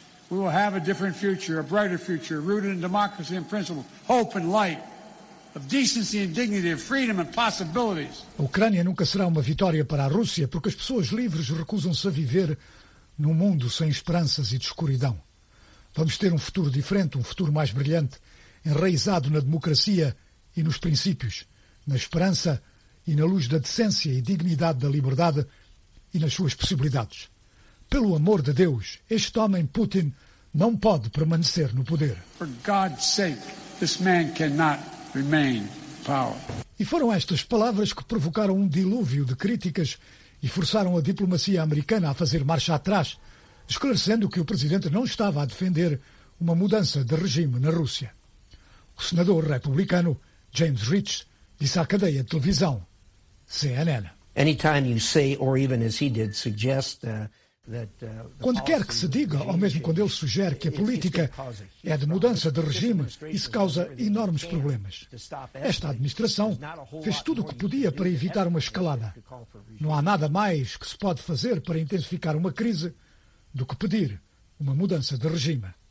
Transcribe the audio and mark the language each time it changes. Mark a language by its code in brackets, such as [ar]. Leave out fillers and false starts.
[en] We will have a different future, a brighter future, rooted in democracy and principle, hope and light, of decency and dignity, of freedom and possibilities. [pt] A Ucrânia nunca será uma vitória para a Rússia, porque as pessoas livres recusam-se a viver num mundo sem esperanças e de escuridão. Vamos ter um futuro diferente, um futuro mais brilhante, enraizado na democracia e nos princípios, na esperança e na luz da decência e dignidade da liberdade e nas suas possibilidades. Pelo amor de Deus, este homem Putin não pode permanecer no poder. [en] For God's sake, this man cannot remain power. [pt] E foram estas palavras que provocaram um dilúvio de críticas e forçaram a diplomacia americana a fazer marcha atrás, esclarecendo que o presidente não estava a defender uma mudança de regime na Rússia. O senador republicano James Rich disse à cadeia de televisão CNN. [en] Anytime you say, or even as he did, suggest [pt] quando quer que se diga, ou mesmo quando ele sugere que a política é de mudança de regime, isso causa enormes problemas. Esta administração fez tudo o que podia para evitar uma escalada. Não há nada mais que se pode fazer para intensificar uma crise do que pedir uma mudança de regime.